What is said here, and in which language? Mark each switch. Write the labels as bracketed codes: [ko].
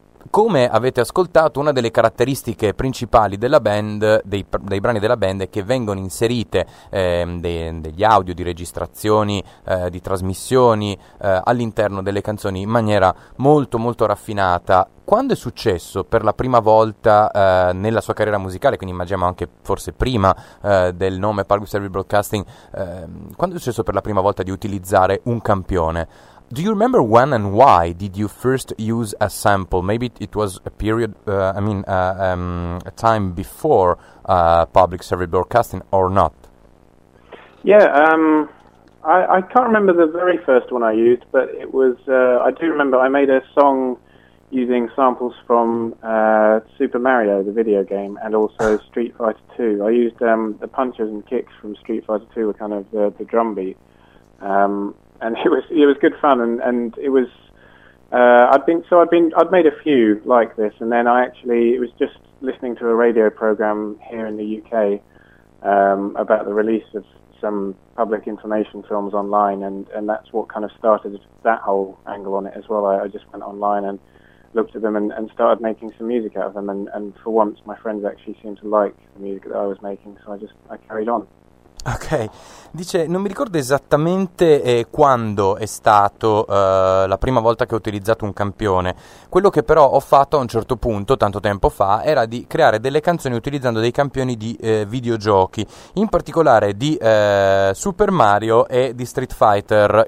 [it] Come avete ascoltato, una delle caratteristiche principali della band, dei brani della band, è che vengono inserite degli audio di registrazioni, di trasmissioni all'interno delle canzoni in maniera molto molto raffinata. Quando è successo per la prima volta nella sua carriera musicale, quindi immaginiamo anche forse prima del nome Public Service Broadcasting, quando è successo per la prima volta di utilizzare un campione? [en] Do you remember when and why did you first use a sample? Maybe it was a period, a time before public service broadcasting or not? Yeah, I can't remember the very first one I used, but it was, I do remember I made a song using samples from Super Mario, the video game, and also Street Fighter 2. I used the punches and kicks from Street Fighter 2, were kind of the drum beat. And it was good fun, and it was I'd made a few like this, and then I actually, it was just listening to a radio program here in the UK about the release of some public information films online, and that's what kind of started that whole angle on it as well. I just went online and looked at them and started making some music out of them, and for once my friends actually seemed to like the music that I was making, so I carried on. [it] Ok, dice non mi ricordo esattamente quando è stato la prima volta che ho utilizzato un campione. Quello che però ho fatto a un certo punto, tanto tempo fa, era di creare delle canzoni utilizzando dei campioni di videogiochi, in particolare di Super Mario e di Street Fighter.